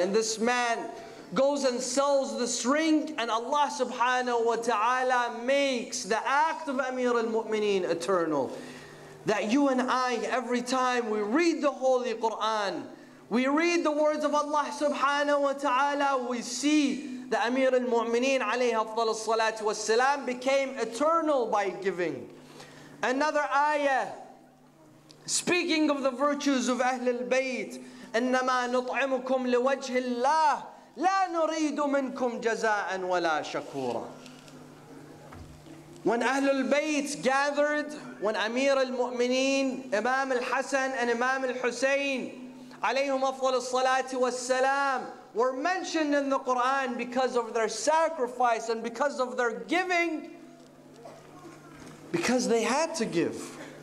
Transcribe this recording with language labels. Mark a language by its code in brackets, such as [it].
[en] And this man goes and sells this ring, and Allah subhanahu wa ta'ala makes the act of Amir al-Mu'mineen eternal. That you and I, every time we read the Holy Quran, we read the words of Allah subhanahu wa ta'ala, we see that Amir al-Mu'mineen alayhi afdhalu salati wa salam became eternal by giving. Another ayah, speaking of the virtues of Ahlul Bayt, [ar] إِنَّمَا نُطْعِمُكُمْ لِوَجْهِ اللَّهِ لَا نُرِيدُ مِنْكُمْ جَزَاءً وَلَا شَكُورًا. [en] When Ahlul Bayt gathered, when Amir al-Mu'mineen, Imam al-Hasan and Imam al-Husayn alayhum afdhalu salati wa salam were mentioned in the Quran because of their sacrifice and because of their giving, because they had to give.